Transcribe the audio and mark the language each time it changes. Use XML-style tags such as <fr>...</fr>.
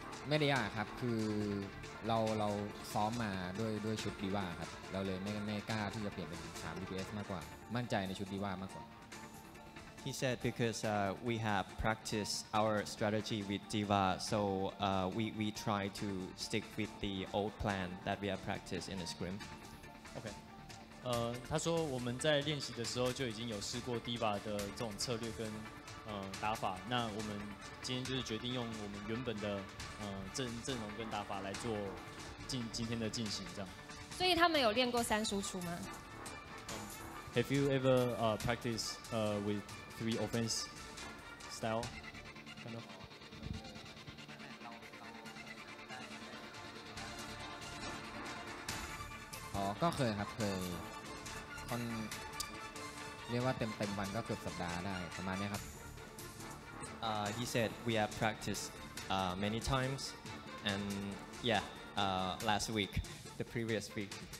<th>ไม่ได้ยากครับคือ เราซ้อมมาด้วยชุดดีว่าครับเราเลยไม่กล้าที่จะเปลี่ยนเป็นสามดีพีเอสมากกว่ามั่นใจในชุดดีว่ามากกว่า</th> <en>He said because we have practiced our strategy with D.Va, so we try to stick with the old plan that we have practiced in the scrim. Okay.</en> <zh>他说我们在练习的时候就已经有试过 D.Va 的这种策略跟 打法，那我们今天就是决定用我们原本的阵容跟打法来做今天的进行，这样。所以他们有练过三输出吗？</zh> <en>Have you ever practiced with three offense style? Kind of?</en> <th>ก็เคยครับเคยเรียกว่าเต็มๆวันก็เกือบสัปดาห์ได้ประมาณนี้ครับ</th> <en>He said we have practiced many times and yeah last week the previous week</en>